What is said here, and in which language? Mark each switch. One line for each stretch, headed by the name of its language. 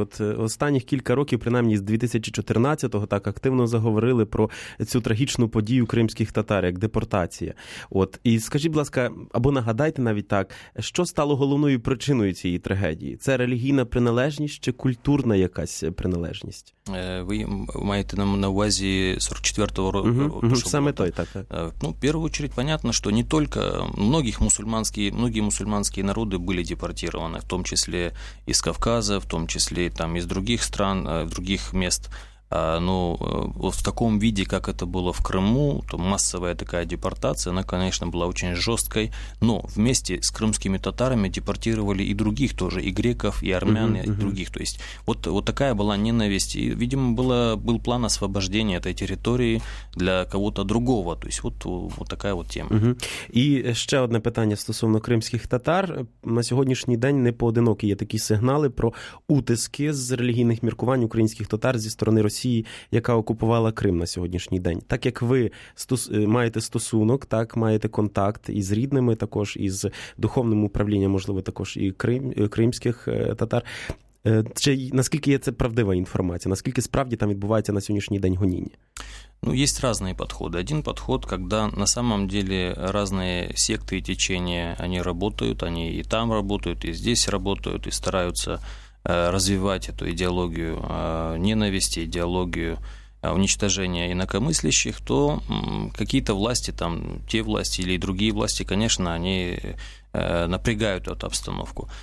Ukrainian: От останніх кілька років, принаймні з 2014-го, так активно заговорили про цю трагічну подію кримських татар, як депортація. От, і скажіть, будь ласка, або нагадайте навіть так, що стало головною причиною цієї трагедії? Це релігійна приналежність чи культурна якась приналежність? Ви маєте нам на увазі 44-го року? Саме той, так. Ну, в першу чергу, понятно, що не тільки
Russian: многие мусульманские народы были депортированы, в том числе из Кавказа, в том числе там из других стран, других мест. Но вот в таком виде, как это было в Крыму, то массовая такая депортация, она, конечно, была очень жесткой, но вместе с крымскими татарами депортировали и других тоже, и греков, и армян, и других. То есть вот такая была ненависть, и, видимо, был план освобождения этой территории для кого-то другого. То есть вот такая вот тема. И еще одно питание
Ukrainian: стосовно
Russian: крымских татар. На сегодняшний день
Ukrainian: не поодинокі є такі сигнали про утиски з релігійних міркувань українських татар зі сторони Росії, яка окупувала Крим на сьогоднішній день. Так як ви маєте стосунок, так маєте контакт із рідними, також із духовним управлінням, можливо, також і кримських татар. Чи наскільки є це правдива інформація? Наскільки справді там відбувається на сьогоднішній день гоніння?
Russian: Ну, есть разные подходы. Один подход, когда на самом деле разные секты и течения, они работают, они и там работают, и здесь работают, и стараются развивать эту идеологию ненависти, идеологию уничтожения инакомыслящих, то какие-то власти, там, те власти или другие власти, конечно, они напрягают эту обстановку.